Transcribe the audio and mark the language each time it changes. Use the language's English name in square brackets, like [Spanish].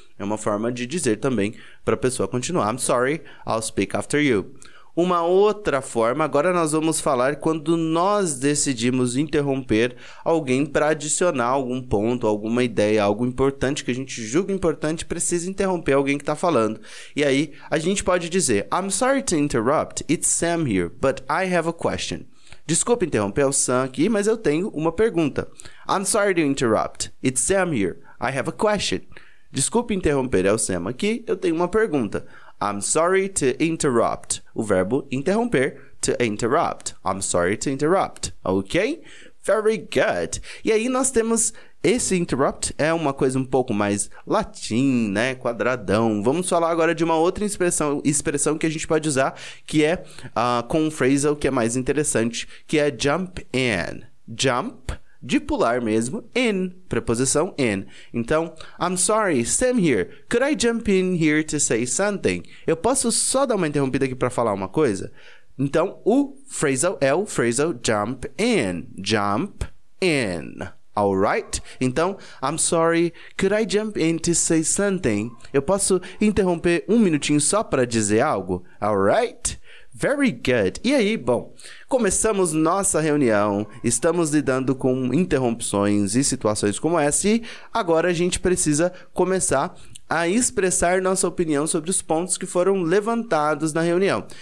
[Portuguese] É uma forma de dizer também para a pessoa continuar. [English] I'm sorry. I'll speak after you. [Portuguese] Uma outra forma, agora nós vamos falar quando nós decidimos interromper alguém para adicionar algum ponto, alguma ideia, algo importante que a gente julga importante, precisa interromper alguém que está falando. E aí, a gente pode dizer, [English] I'm sorry to interrupt, it's Sam here, but I have a question. [Portuguese] Desculpa interromper, é o Sam aqui, mas eu tenho uma pergunta. [English] I'm sorry to interrupt, it's Sam here, I have a question. [Portuguese] Desculpa interromper, é o Sam aqui, eu tenho uma pergunta. [English] I'm sorry to interrupt. [Portuguese] O verbo interromper, [English] to interrupt. I'm sorry to interrupt. Ok? Very good. [Portuguese] E aí nós temos esse interrupt, é uma coisa um pouco mais latim, né? Quadradão. Vamos falar agora de uma outra expressão que a gente pode usar, que é com um phrasal que é mais interessante, que é jump in. Jump, de pular mesmo, in, preposição in. [English] Então, I'm sorry, Sam here. Could I jump in here to say something? [Portuguese] Eu posso só dar uma interrompida aqui para falar uma coisa? Então, o phrasal é o phrasal jump in. [English] Jump in. Alright? Então, I'm sorry, could I jump in to say something? [Portuguese] Eu posso interromper um minutinho só para dizer algo? [English] Alright? Very good. [Portuguese] E aí, bom, começamos nossa reunião, estamos lidando com interrupções e situações como essa e agora a gente precisa começar a expressar nossa opinião sobre os pontos que foram levantados na reunião.